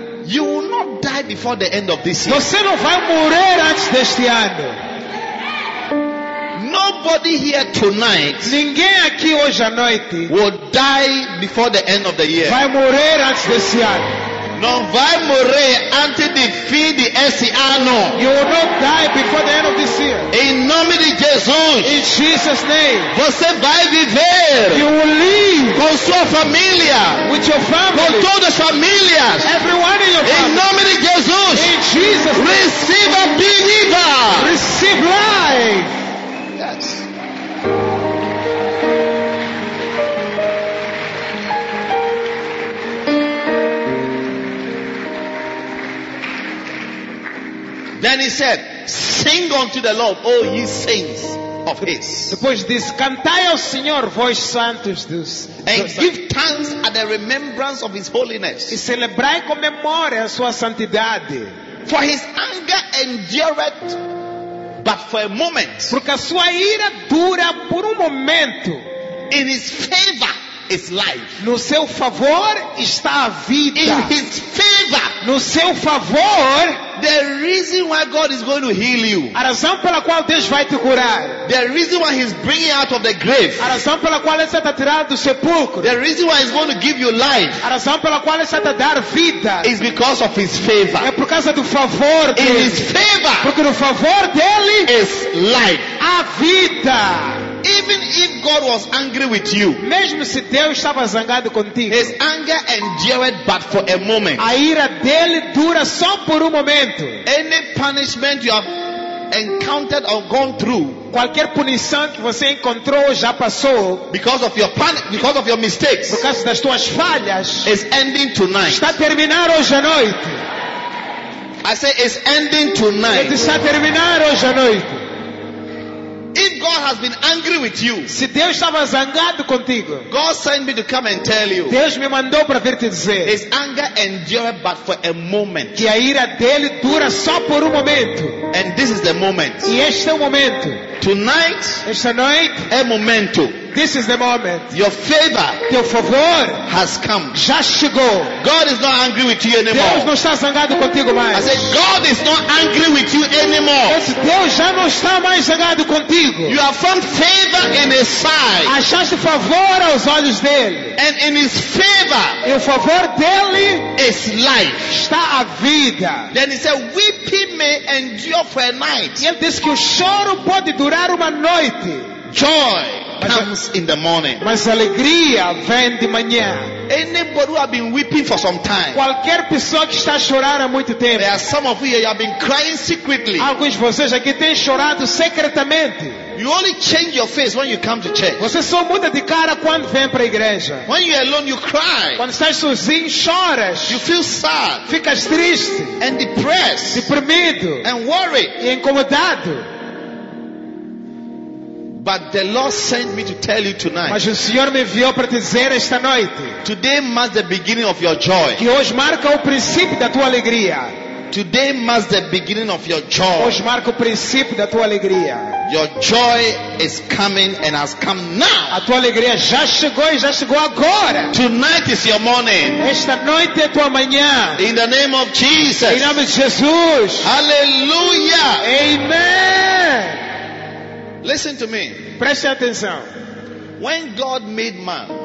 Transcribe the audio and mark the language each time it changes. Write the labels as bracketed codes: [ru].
[en] You will not die before the end of this year. [pt] Você não vai morrer antes deste ano. [en] Nobody here tonight. [pt] Ninguém aqui hoje à noite. [en] Will die before the end of the year. [pt] Vai morrer antes deste ano. Não vai morrer antes de fim de esse ano. [en] You will not die before the end of this year. [pt] Em nome de Jesus. [en] In Jesus name. [pt] Você vai viver. [en] You will live. [pt] Com sua família. [en] With your family. [pt] Com todas as famílias. [en] Everyone in your family. [pt] Em nome de Jesus. [en] In Jesus name. Receive a believer. Receive life. Then he said, "Sing unto the Lord, O ye saints of His." [pt] Depois disse, cantai ao Senhor, vós santos dos. [en] And give thanks at the remembrance of His holiness. [pt] E celebrai com memória a sua santidade. [en] For His anger endureth but for a moment. [pt] Porque a sua ira dura por momento. [en] In His favor is life. [pt] No seu favor está a vida. [en] In His favor. [pt] No seu favor. [en] The reason why God is going to heal you. [pt] A razão pela qual Deus vai te curar. [en] The reason why He's bringing out of the grave. [pt] A razão pela qual Ele está te tirar do sepulcro. [en] The reason why He's going to give you life. [pt] A razão pela qual Ele está te dar vida. [en] Is because of His favor. [pt] É por causa do favor dele. [en] In His favor. [pt] Porque no favor dele [en] is life. [pt] A vida. [en] Even if God was angry with you. [pt] Mesmo se Deus estava zangado contigo. [en] His anger endured but for a moment. [pt] A ira dele dura só por momento. [en] Any punishment you have encountered or gone through. [pt] Qualquer punição que você encontrou já passou. [en] Because of your because of your mistakes. [pt] Por causa das tuas falhas. [en] Is ending tonight. [pt] Está terminando hoje à noite. [en] I say it's ending tonight. [pt] Está terminando hoje à noite. [en] If God has been angry with you, [pt] se Deus estava zangado contigo, [en] God sent me to come and tell you. [pt] Deus me mandou para vir te dizer. [en] His anger endures but for a moment. [pt] Que a ira dele dura só por momento. [en] And this is the moment. [pt] E este é o momento. [en] Tonight, [pt] esta noite, é momento. [en] This is the moment. Your favor, [pt] teu favor, [en] has come. [pt] Já chegou. [en] God is not angry with you anymore. [pt] Deus não está zangado contigo mais. [en] I said, God is not angry with you anymore. [pt] Deus já não está mais zangado contigo. [en] You have found favor in His sight. [pt] Achaste favor aos olhos dele. [en] And in His favor, [pt] e o favor dele, [en] is life. [pt] Está a vida. [en] Then He said, weeping may endure for a night. [pt] E ele disse que o choro pode durar noite. [en] Joy comes in the morning. [pt] Mas alegria vem de manhã. [en] Anybody who have been weeping for some time. [pt] Qualquer pessoa que está chorando há muito tempo. [en] There are some of you have been crying secretly. [pt] Alguns de vocês aqui têm chorado secretamente. [en] You only change your face when you come to church. [pt] Você só muda de cara quando vem para a igreja. [en] When you are alone, you cry. [pt] Quando estás sozinho, choras. [en] You feel sad. [pt] Ficas triste. [en] And depressed. [pt] Deprimido. [en] And worried. [pt] E incomodado. [en] But the Lord sent me to tell you tonight. [pt] Mas o Senhor me enviou para dizer esta noite. [en] Today marks the beginning of your joy. [pt] Que hoje marca o princípio da tua alegria. [en] Today marks the beginning of your joy. [pt] Hoje marca o princípio da tua alegria. [en] Your joy is coming and has come now. [pt] A tua alegria já chegou e já chegou agora. [en] Tonight is your morning. [pt] Esta noite é tua manhã. [en] In the name of Jesus. [pt] Em nome de Jesus. Aleluia. [en] Amen. Listen to me. [pt] Preste atenção. [en] When God made man,